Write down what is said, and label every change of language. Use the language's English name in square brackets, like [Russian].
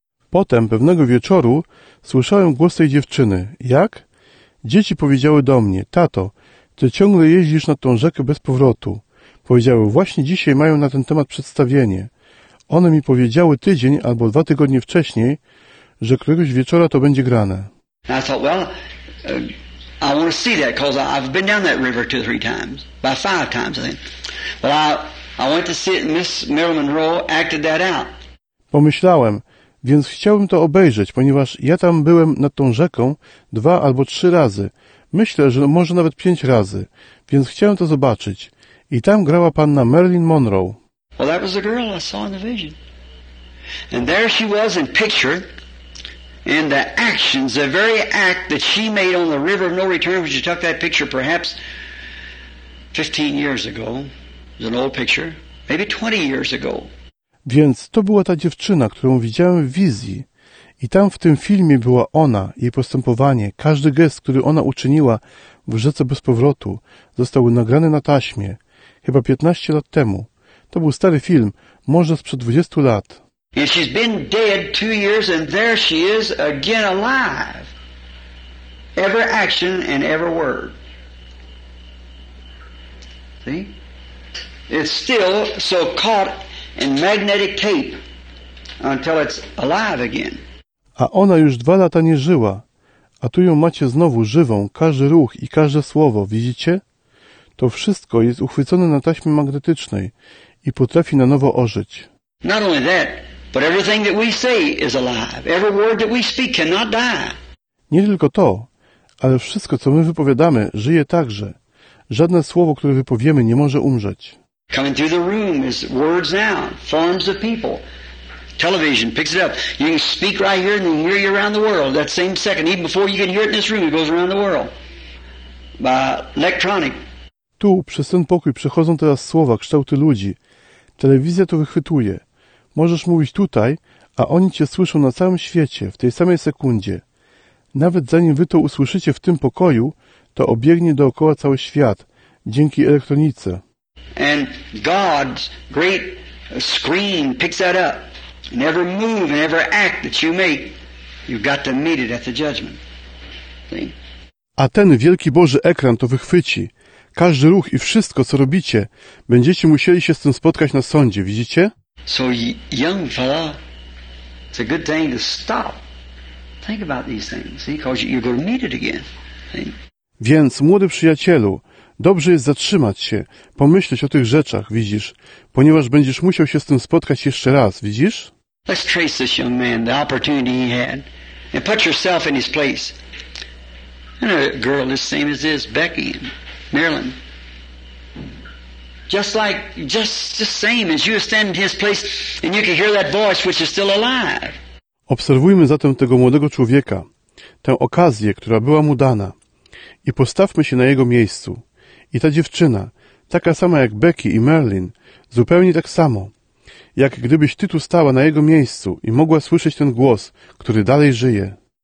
[Polish] Potem, pewnego wieczoru, słyszałem głos tej dziewczyny. Jak? Dzieci powiedziały do mnie, tato, ty ciągle jeździsz na tą rzekę bez powrotu. Powiedziały, właśnie dzisiaj mają na ten temat przedstawienie. One mi powiedziały tydzień albo 2 tygodnie wcześniej, że któregoś wieczora to będzie grane. [English] I thought, well, I want to see that, because I've been down that river 2 or 3 times. By 5 times, I think. But I went to see it, and Miss Marilyn Monroe acted that out. [Polish] Pomyślałem, więc chciałbym to obejrzeć, ponieważ ja tam byłem nad tą rzeką 2 albo 3 razy. Myślę, że może nawet 5 razy, więc chciałem to zobaczyć. I tam grała panna Marilyn Monroe. [English] Well, that was the girl I saw in the vision. And there she was in picture. And the actions, the very act that she made on the River of No Return when she took that picture perhaps 15 years ago. It was an old picture. Maybe 20 years ago. [Polish] Więc to była ta dziewczyna, którą widziałem w wizji. I tam w tym filmie była ona, jej postępowanie, każdy gest, który ona uczyniła w Rzece Bez Powrotu, został nagrany na taśmie, chyba 15 lat temu. To był stary film, może sprzed 20 lat. [English] And she's been dead 2 years and there she is again alive. Every action and every word. See? It's still so caught in magnetic tape until it's alive again. [Polish] A ona już 2 lata nie żyła, a tu ją macie znowu żywą, każdy ruch i każde słowo, widzicie? To wszystko jest uchwycone na taśmie magnetycznej i potrafi na nowo ożyć. [English] Not only that, but everything that we say is alive. Every word that we speak cannot die. [Polish] Nie tylko to, ale wszystko, co my wypowiadamy, żyje także. Żadne słowo, które wypowiemy, nie może umrzeć. [English] Coming through the room is words now, forms of people. Television picks it up. You can speak right here and they hear you around the world. That same second, even before you can hear it in this room, it goes around the world. By electronic. [Polish] Tu, przez ten pokój, przechodzą teraz słowa, kształty ludzi. Telewizja to wychwytuje. Możesz mówić tutaj, a oni cię słyszą na całym świecie, w tej samej sekundzie. Nawet zanim wy to usłyszycie w tym pokoju, to obiegnie dookoła cały świat, dzięki elektronice. [English] And God's great screen picks that up. And every move and every act that you make, you've got to meet it at the judgment. See? [Polish] A ten wielki Boży ekran to wychwyci. Każdy ruch i wszystko, co robicie, będziecie musieli się z tym spotkać na sądzie, widzicie? [English] So young fella, it's a good thing to stop. Think about these things, see? Because you're going to meet it again. See? [Polish] Więc, młody przyjacielu, dobrze jest zatrzymać się, pomyśleć o tych rzeczach, widzisz, ponieważ będziesz musiał się z tym spotkać jeszcze raz, widzisz? [English] Let's trace this young man, the opportunity he had, and put yourself in his place. And a girl the same as this, Becky, Marilyn. Just same as you stand in his place and you can hear that voice which is still alive. [Polish] Obserwujmy zatem tego młodego człowieka, tę okazję, która była mu dana, i postawmy się na jego miejscu. I ta dziewczyna, taka sama jak Becky i Marilyn, zupełnie tak samo, jak gdybyś ty tu stała na jego miejscu i mogła słyszeć ten głos, który dalej żyje.